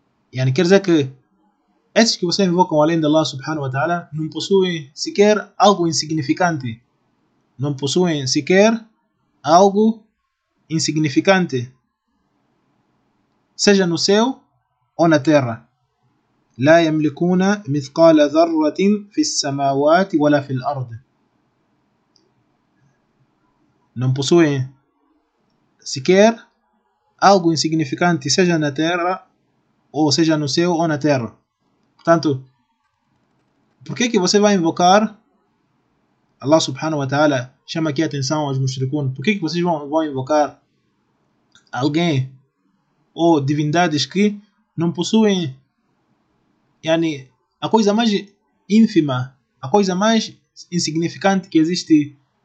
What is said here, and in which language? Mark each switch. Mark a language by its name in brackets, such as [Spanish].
[Portuguese] Quer dizer que esses que você invocam além de Allah subhanahu wa ta'ala não possuem sequer algo insignificante. Não possuem sequer algo insignificante. Seja no céu ou na terra. [Arabic] لا يملكون مثقال ذرة في السماوات ولا في الأرض. [Portuguese] Não possuem sequer algo insignificante, seja na terra ou seja no céu ou na terra. Portanto, por que você vai invocar Allah subhanahu wa ta'ala, chama aqui a atenção aos mushrikun, por que vocês vão invocar alguém ou divindades que não possuem a coisa mais ínfima, a coisa mais insignificante que existe?